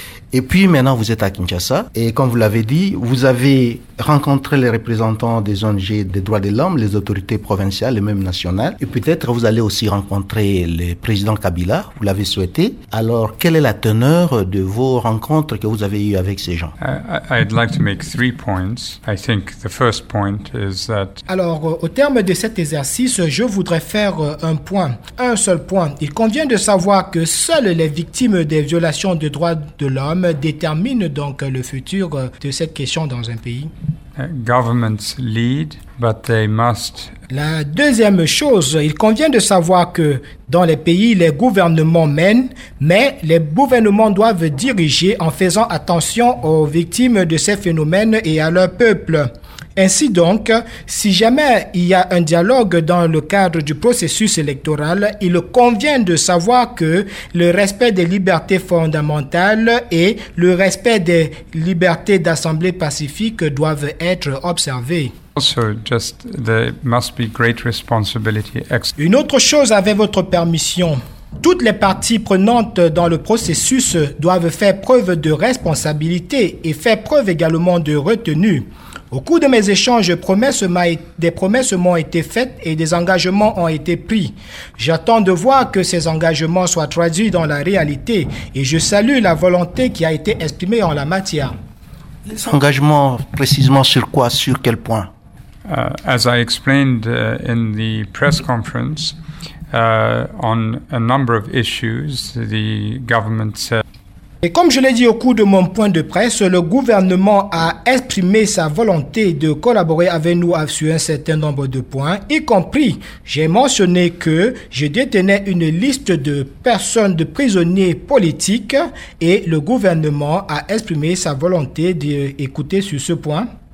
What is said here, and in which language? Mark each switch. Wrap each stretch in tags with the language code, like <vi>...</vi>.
<fr>Et puis maintenant, vous êtes à Kinshasa. Et comme vous l'avez dit, vous avez rencontré les représentants des ONG des droits de l'homme, les autorités provinciales et même nationales. Et peut-être vous allez aussi rencontrer le président Kabila, vous l'avez souhaité. Alors, quelle est la teneur de vos rencontres que vous avez eues avec ces gens?</fr> <en>I'd like to make three points. I think the first point is that...</en> <fr>Alors, au terme de cet exercice, je voudrais faire un point, un seul point. Il convient de savoir que seules les victimes des violations des droits de l'homme détermine donc le futur de cette question dans un pays.</fr> <en>Governments lead, but they must.</en> <fr>La deuxième chose, il convient de savoir que dans les pays, les gouvernements mènent, mais les gouvernements doivent diriger en faisant attention aux victimes de ces phénomènes et à leur peuple. Ainsi donc, si jamais il y a un dialogue dans le cadre du processus électoral, il convient de savoir que le respect des libertés fondamentales et le respect des libertés d'assemblée pacifique doivent être observés.</fr> <en>Also, just there must be great responsibility.</en> <fr>Une autre chose, avec votre permission. Toutes les parties prenantes dans le processus doivent faire preuve de responsabilité et faire preuve également de retenue. Au cours de mes échanges, des promesses m'ont été faites et des engagements ont été pris. J'attends de voir que ces engagements soient traduits dans la réalité et je salue la volonté qui a été exprimée en la matière. Les engagements, précisément sur quoi, sur quel point?</fr> <en>As I explained in the press conference, on a number of issues, the government said.</en> <fr>Et comme je l'ai dit au cours de mon point de presse, le gouvernement a exprimé sa volonté de collaborer avec nous sur un certain nombre de points, y compris, j'ai mentionné que je détenais une liste de personnes de prisonniers politiques et le gouvernement a exprimé sa volonté d'écouter sur ce point.</fr>